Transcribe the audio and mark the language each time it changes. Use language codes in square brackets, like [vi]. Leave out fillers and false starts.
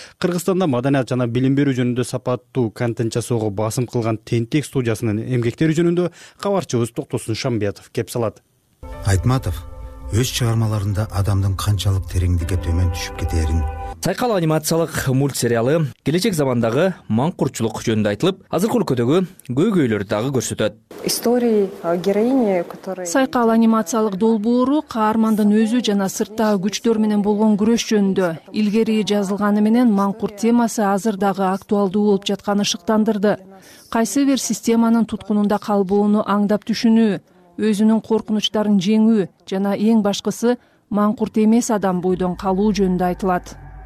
[ky] Кыргызстанда маданият жана билим берүү жөнүндө сапаттуу контент жасоого басым кылган Тентек студиясынын эмгектери жөнүндө кабарчыбыз Токтосун Шамбетов кеп салат. Айтматов өз чыгармаларында адамдын канчалык тереңдикке төмөн түшүп кетэрин. Сайкал анимациялык мультсериалы келечек замандагы маңкурчулук жөнүндө айтылып, азыркы өлкөдөгү көйгөйлөрдү дагы көрсөтөт. [ru] Истории героини, которая [ky] Сайкал анимациялык долбоору каармандын өзү жана сырттагы күчтөр менен болгон күрөш жөнүндө. Илгери жазылганы менен маңкурт темасы азыр дагы актуалдуу болуп жатканы шыктандырды. Кайсы бир системанын туткунунда калбоону аңдап түшүнүү, өзүнүн коркунучтарын жеңүү жана эң башкысы маңкурт эмес адам бойдон калуу жөнүндө айтылат.